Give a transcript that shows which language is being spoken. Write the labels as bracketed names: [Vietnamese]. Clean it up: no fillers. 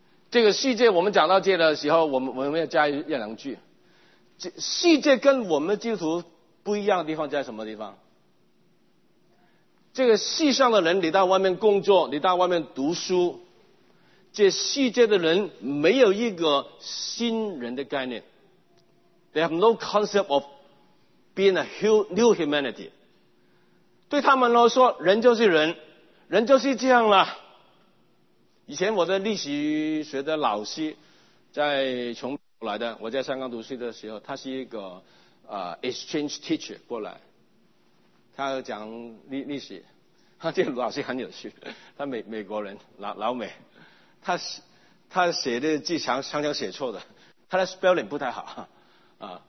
[Chinese] 这个世界，我们讲到这的时候，我们要加一两句。世界跟我们基督徒不一样的地方在什么地方？这个世上的人，你到外面工作，你到外面读书，这世界的人没有一个新人的概念。 [English] They have no concept of being a new humanity. [Chinese] 对他们来说，人就是人，人就是这样了。以前我的历史学的老师，在从来的，我在香港读书的时候，他是一个exchange teacher 过来，他讲历史，他这个老师很有趣，他美国人，老美，他写的字常常写错的，他的 spelling 不太好啊。